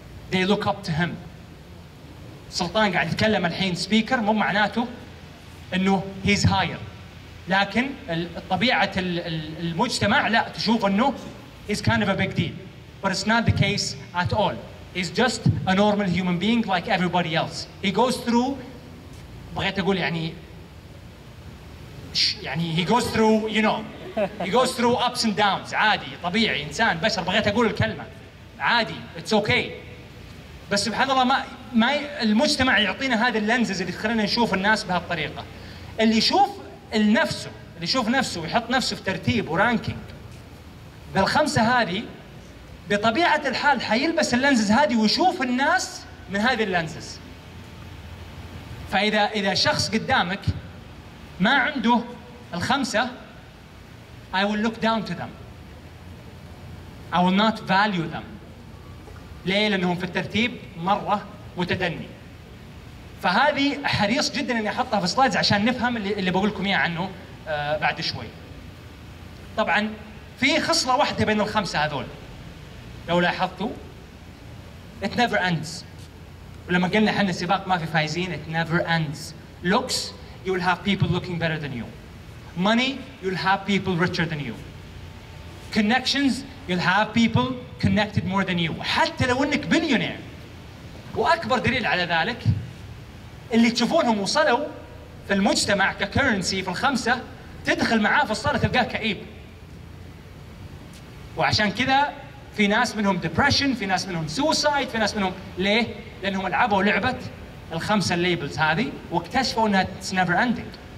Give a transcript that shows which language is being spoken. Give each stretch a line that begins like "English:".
English: They look up to him.
Arabic: سلطان قاعد يتكلم الحين سبيكر، مو معناته أنه
English: he's higher،
Arabic: لكن طبيعة المجتمع لا تشوف أنه
English: he's kind of a big deal. But it's not the case at all. He's just a normal human being like everybody else. He goes through,
Arabic: بغيت أقول يعني
English: he goes through, you know, he goes through ups and downs.
Arabic: عادي، طبيعي، إنسان بشر، بغيت أقول الكلمة عادي،
English: it's okay.
Arabic: بس سبحان الله ما المجتمع يعطينا هذه اللنزز اللي خلينا نشوف الناس بهالطريقة. اللي يشوف نفسه، اللي يشوف نفسه ويحط نفسه في ترتيب ورانكينج بالخمسة هذه، بطبيعة الحال حيلبس اللنزز هذه ويشوف الناس من هذه اللنزز. فإذا شخص قدامك ما عنده الخمسة،
English: I will look down to them. I will not value them.
Arabic: ليه؟ لأنهم في الترتيب مرة متدني. فهذه حريص جدا أني أحطها في سلايدز عشان نفهم اللي بقولكم إياه عنه بعد شوي. طبعا في خصلة واحدة بين الخمسة هذول، لو لاحظتوا
English: it never ends.
Arabic: ولما قلنا حنا السباق ما في فايزين،
English: it never ends. Looks, you will have people looking better than you. Money, you'll have people richer than you. Connections, you'll have people connected more than you.
Arabic: حتى لو انك بليونير. واكبر دليل على ذلك اللي تشوفونهم وصلوا في المجتمع ككرنسي في الخمسة، تدخل معاه في الصالة تلقاه كئيب. وعشان كذا في ناس منهم depression، في ناس منهم suicide، في ناس منهم ليه؟ لأنهم لعبوا لعبة الخمسة labels هذه واكتشفوا أنها
English: it's never ending.